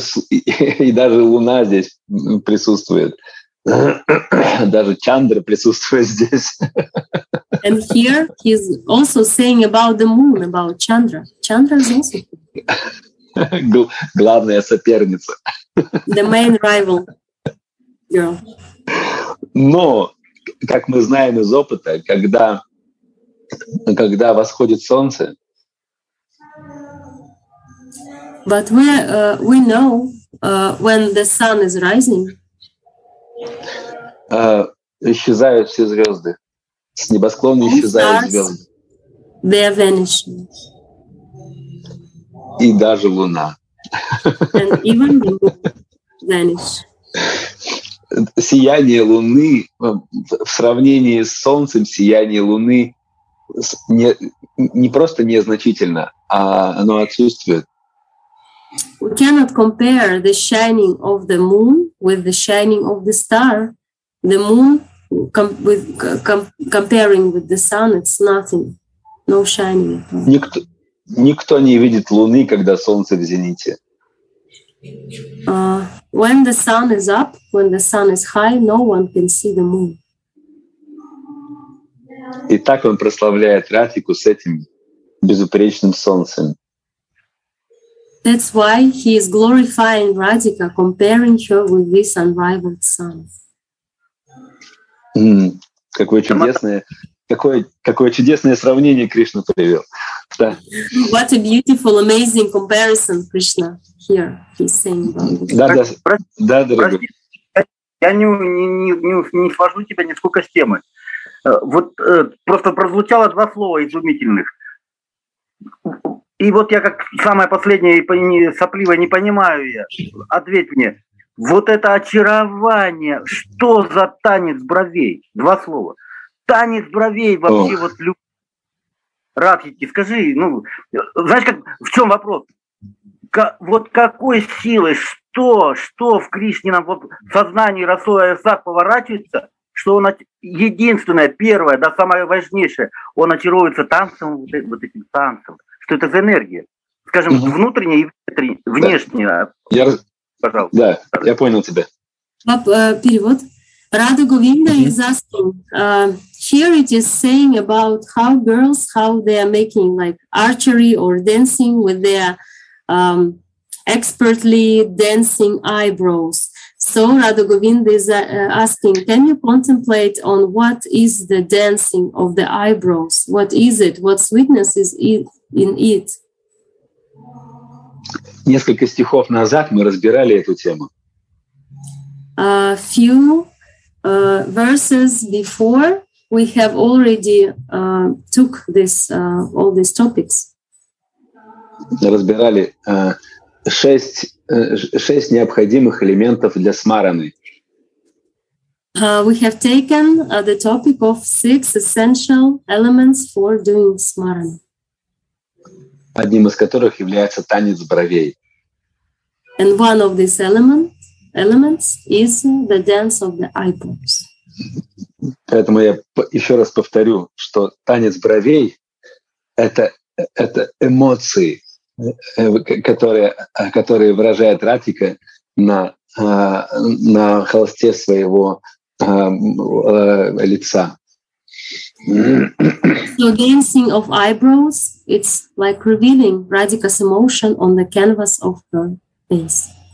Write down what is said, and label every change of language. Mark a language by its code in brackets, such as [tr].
[ru] И даже луна здесь присутствует. Даже Чандра присутствует здесь. [en] And here he's also saying about the moon, about Chandra. Chandra is also [ru] главная соперница. [en] The main rival girl. [ru] Но, как мы знаем из опыта, когда восходит солнце. [en] But we know when the sun is rising. [ru] Исчезают все звезды. С небосклона исчезают звезды. [en] They are vanishing. [ru] И даже луна. [en] And even the moon vanish. [ru] Сияние луны в сравнении с солнцем, сияние луны не просто незначительно, а оно отсутствует. [en] We cannot compare the shining of the moon with the shining of the star. The moon comparing with the sun, it's nothing, no shining. [ru] Никто не видит луны, когда солнце в зените. [en] When the sun is up, when the sun is high, no one can see the moon. [ru] И так он прославляет Радхику с этим безупречным солнцем. [en] That's why he is glorifying Radhika, comparing her with this unrivaled sun. [ru] Mm, какое чудесное сравнение Кришна привел. Да. [en] What a beautiful, amazing comparison, Krishna. Here he's saying about it. [ru] Да, дорогой. Я не вхожу тебя нисколько с темы. Вот просто прозвучало два слова изумительных. И вот я как самое последнее сопливое не понимаю я. Ответь мне. Вот это очарование. Что за танец бровей? Два слова. Танец бровей вообще вот Радхики. Скажи, ну, знаешь, как, в чем вопрос? Вот какой силы, что в Кришнином вот, сознании Расоя Сад поворачивается, что он единственное, первое, да самое важнейшее, он очаровывается танцем, вот этим танцем. Что это за энергия? Скажем, внутренняя и внешняя. Да. Пожалуйста. Да, я понял тебя. Перевод. [en] Radha Govinda is asking, here it is saying about how girls, how they are making like archery or dancing with their expertly dancing eyebrows. So Radha Govinda is asking, can you contemplate on what is the dancing of the eyebrows? What is it? What sweetness is it in it? [ru] Несколько стихов назад мы разбирали эту тему. [en] A few verses before we have already took this all these topics. [ru] Разбирали шесть необходимых элементов для смараны. [en] We have taken the topic of six essential elements for doing smarana. [ru] Одним из которых является танец бровей. [en] And one of these elements is the dance of the eyebrows. [ru] Поэтому я еще раз повторю, что танец бровей — это эмоции, которые выражает Радхика на холсте своего лица. [en] So dancing of eyebrows, it's like revealing Radhika's emotion on the canvas of her face.